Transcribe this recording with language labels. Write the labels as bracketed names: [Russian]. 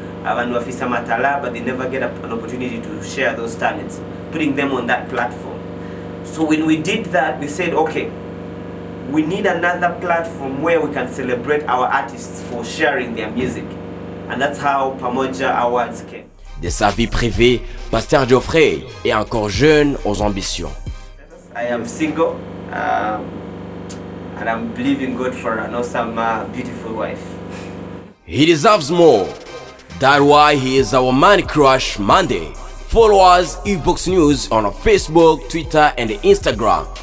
[English] But they never get an opportunity to share those talents, putting them on that platform. So when we did that, we said, okay, we need another platform where we can celebrate our artists for sharing their music. And that's how Pamoja Awards came. [French] de sa vie privée, Pasteur Geoffrey est encore jeune aux ambitions. [English] I am single and I'm believing God for an awesome, beautiful wife. He deserves more. That's why he is our Man Crush Monday. Follow us, Ebooks News, on Facebook, Twitter, and Instagram.